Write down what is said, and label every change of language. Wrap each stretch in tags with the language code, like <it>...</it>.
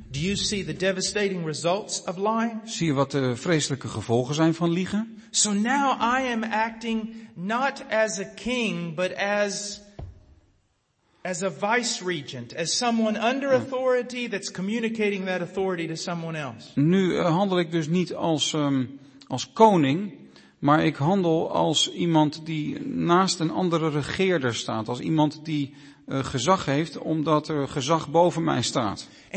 <en>Do you see the devastating results of lying?</en> <nl>Zie je wat de vreselijke gevolgen zijn van liegen?</nl> <en>So now I am acting not as a king, but as a vice regent, as someone under authority that's communicating that authority to someone else.</en> <nl>Nu handel ik dus niet als koning. Maar ik handel als iemand die naast een andere regeerder staat. Als iemand die gezag heeft, omdat er gezag boven mij staat.</nl>